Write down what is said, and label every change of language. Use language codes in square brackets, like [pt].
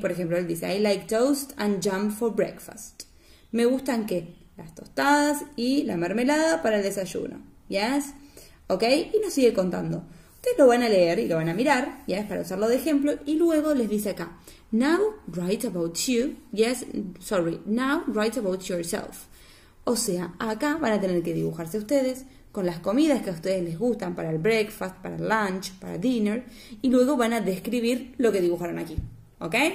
[es] Por ejemplo, él dice, [en] I like toast and jam for breakfast. [es] Me gustan, ¿qué? Las tostadas y la mermelada para el desayuno, ¿yes? ¿Ok? Y nos sigue contando. Ustedes lo van a leer y lo van a mirar, ¿yes? Para usarlo de ejemplo. Y luego les dice acá, [en] now write about you, [es] ¿yes? [en] Sorry, now write about yourself. [es] O sea, acá van a tener que dibujarse ustedes con las comidas que a ustedes les gustan para el breakfast, para el lunch, para dinner, y luego van a describir lo que dibujaron aquí, ¿ok?